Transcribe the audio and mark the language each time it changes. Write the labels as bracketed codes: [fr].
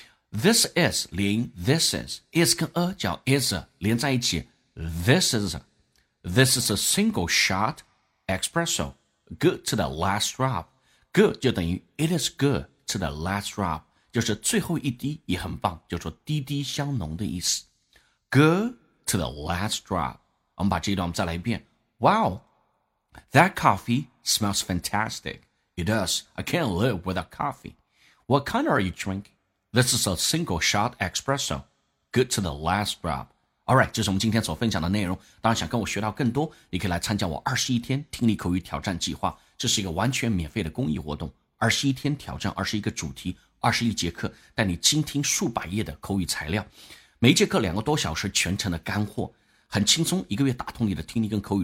[en] This is [zh] 连 [en] this is [zh] 跟 [en] a [zh] 叫 [en] is [zh] 连在一起 [en] this isThis is a single shot espresso. Good to the last drop. Good [zh] 就等于 [en] It is good to the last drop. [zh] 就是最后一滴也很棒，就说滴滴香浓的意思。 [en] Good to the last drop. [zh] 我们把这一段我们再来一遍。 [en] Wow, that coffee smells fantastic. It does. I can't live without coffee. What kind are you drinking? This is a single shot espresso. Good to the last drop. [zh] Alright, 这是我们今天所分享的内容。当然想跟我学到更多，你可以来参加我21天听力口语挑战计划。这是一个完全免费的公益活动。21天挑战21个主题 ,21 节课，带你精听数百页的口语材料。每一节课两个多小时全程的干货。很轻松，一个月打通你的听力跟口语。